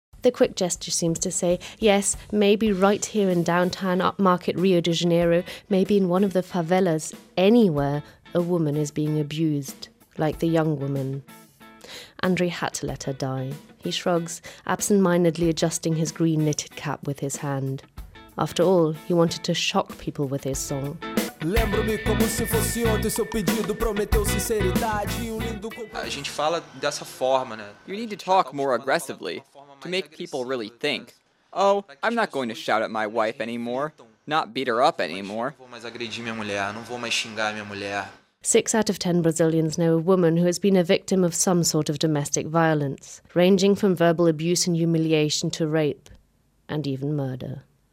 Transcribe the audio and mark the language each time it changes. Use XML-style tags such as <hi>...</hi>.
<en>The quick gesture seems to say, yes, maybe right here in downtown upmarket Rio de Janeiro, maybe in one of the favelas, anywhere, a woman is being abused, like the young woman. André had to let her die. He shrugs, absent-mindedly adjusting his green knitted cap with his hand. After all, he wanted to shock people with his song.</en> <pt>Lembro-me como se fosse ontem seu pedido, prometeu sinceridade e um lindo. A gente fala dessa forma, né?</pt> <en>You need to talk more aggressively to make people really think. Oh, I'm not going to shout at my wife anymore, not beat her up anymore.</en> <pt>Não vou mais agredir minha mulher, não vou mais xingar minha mulher.</pt> <en>6 out of 10 Brazilians know a woman who has been a victim of some sort of domestic violence, ranging from verbal abuse and humiliation to rape, and even murder.</en>